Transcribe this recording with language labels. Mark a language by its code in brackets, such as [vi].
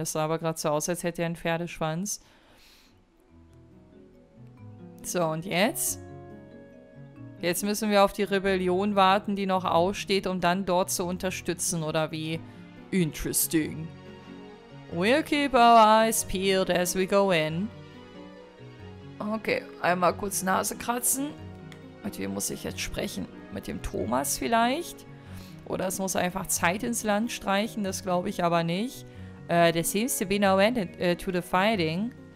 [de] Das sah aber gerade so aus, als hätte er einen Pferdeschwanz. So, und jetzt? Jetzt müssen wir auf die Rebellion warten, die noch aussteht, um dann dort zu unterstützen, oder wie? [en] Interesting. We'll keep our eyes peeled as we go in. [de] Okay, einmal kurz Nase kratzen. Mit wem muss ich jetzt sprechen? Mit dem Thomas vielleicht? Oder es muss einfach Zeit ins Land streichen, das glaube ich aber nicht. [en] There seems to be no end to the fighting.